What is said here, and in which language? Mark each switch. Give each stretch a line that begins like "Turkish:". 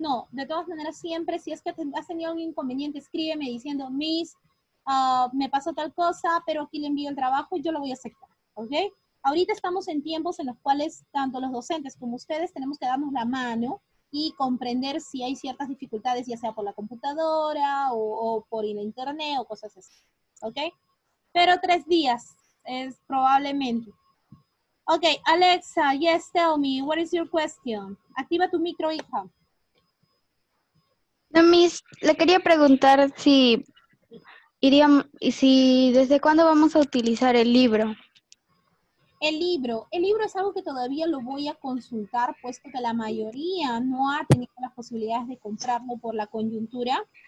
Spanish: No, de todas maneras, siempre, si es que has tenido un inconveniente, escríbeme diciendo, Miss, me pasó tal cosa, pero aquí le envío el trabajo y yo lo voy a aceptar. ¿Ok? Ahorita estamos en tiempos en los cuales tanto los docentes como ustedes tenemos que darnos la mano y comprender si hay ciertas dificultades, ya sea por la computadora o por el internet o cosas así. ¿Ok? Pero 3 días es probablemente.
English: Ok, Alexa, yes, tell me, what is your question?
Spanish: Activa tu micro, hija. No, Miss, le quería preguntar si desde cuándo vamos a utilizar el libro. El libro es algo que todavía lo voy a consultar, puesto que la mayoría no ha tenido las posibilidades de comprarlo por la coyuntura.